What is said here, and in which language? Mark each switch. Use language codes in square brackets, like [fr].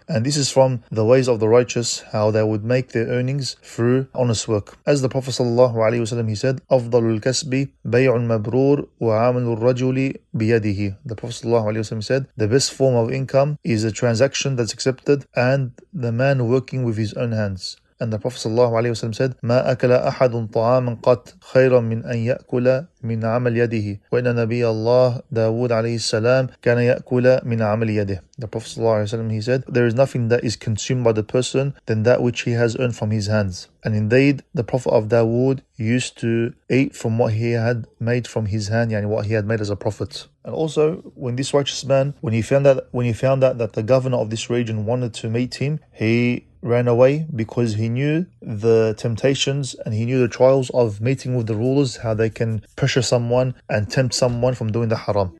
[en] And this is from the ways of the righteous, how they would make their earnings through honest work. As the Prophet sallallahu alaihi wasallam, he said, [ar] "Afdalul kasbi bay'un mabrur wa 'amalur rajuli biyadihi." [en] The Prophet sallallahu alaihi wasallam said, the best form of income is a transaction that's accepted and the man working with his own hands. And the Prophet sallallahu alaihi wasallam said, [ar] ما أكل أحد طعاما قط خيرا من أن يأكل من عمل يده وإن نبي الله داود عليه السلام كان يأكل من عمل يده. [en] The Prophet sallallahu alaihi wasallam, he said, there is nothing that is consumed by the person than that which he has earned from his hands. And indeed, the Prophet of Dawood used to eat from what he had made from his hand, yani what he had made as a prophet. And also, when this righteous man, when he found out that the governor of this region wanted to meet him, he ran away, because he knew the temptations and he knew the trials of meeting with the rulers, how they can pressure someone and tempt someone from doing the haram.